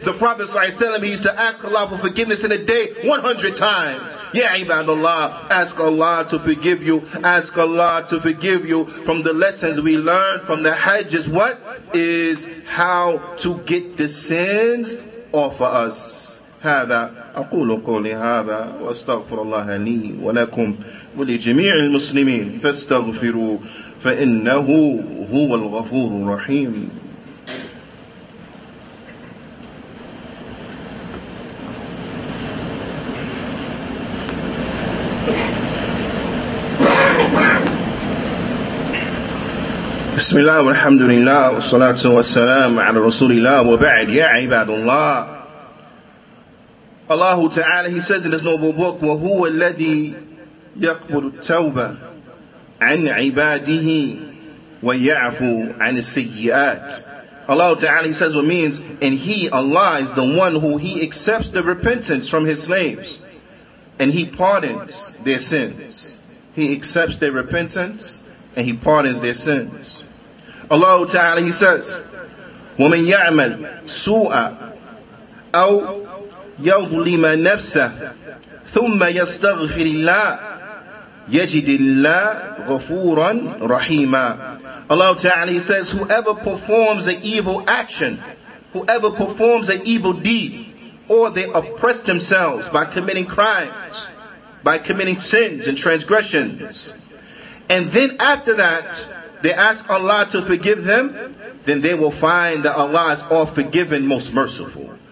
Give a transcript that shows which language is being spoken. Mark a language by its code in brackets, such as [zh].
[en] The Prophet ﷺ, he used to ask Allah for forgiveness in a day 100 times. Yeah, ibadullah, ask Allah to forgive you. Ask Allah to forgive you. From the lessons we learned from the Hajj is what? Is how to get the sins off of us. [ar] هذا أقول قولي هذا وأستغفر الله لي ولكم ولجميع المسلمين فاستغفروا فإنه هو الغفور الرحيم. بسم الله والحمد لله والصلاة والسلام على رسول الله وبعد يا عباد الله. [en] Allah Ta'ala, he says in his noble book, [ar] وَهُوَ الَّذِي يَقْبُلُ التَّوْبَةَ عَنْ عِبَادِهِ وَيَعْفُ عَنِ السَّيِّئَاتِ. [en] Allah Ta'ala, he says, what means, and he, Allah, is the one who he accepts the repentance from his slaves, and he pardons their sins. He accepts their repentance, and he pardons their sins. Allah Ta'ala, he says, [ar] وَمَنْ يَعْمَلْ سُوءًا أَوْ يظلم نفسه ثم يستغفر الله يجد الله غفورا رحيما. [en] Allah Ta'ala, he says, whoever performs an evil action, whoever performs an evil deed, or they oppress themselves by committing crimes, by committing sins and transgressions, and then after that they ask Allah to forgive them, then they will find that Allah is all forgiving, most merciful.